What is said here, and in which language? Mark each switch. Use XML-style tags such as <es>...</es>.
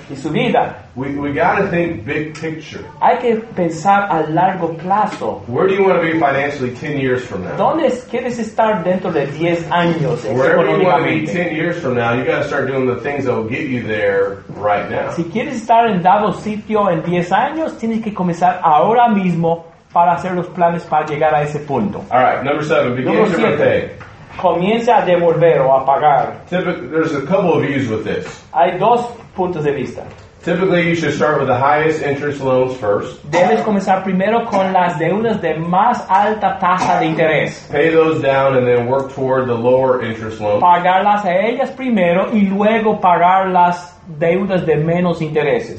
<es>Y su vida.</es> <en>We got to think big picture.</en> <es>Hay que pensar a largo plazo.</es> <en>Where do you want to be financially 10 years from now?</en> <es>¿Dónde quieres estar dentro de 10 años?</es> <en>Wherever you want to be 10 years from now, you got to start doing the things that will get you there right now.</en> <es>Si quieres estar en dado sitio en 10 años, tienes que comenzar ahora mismo para hacer los planes para llegar a ese punto.</es> <en>All right, number 7, begin your birthday.</en> <es>Comienza a devolver o a pagar.</es> <en>There's a couple of views with this.</en> <es>Hay dos puntos de vista.</es> <en>Typically, you should start with the highest interest loans first.</en> <es>Debes comenzar primero con las deudas de más alta tasa de interés.</es> <en>Pay those down and then work toward the lower interest loans.</en> <es>Pagarlas a ellas primero y luego pagar las deudas de menos intereses.</es>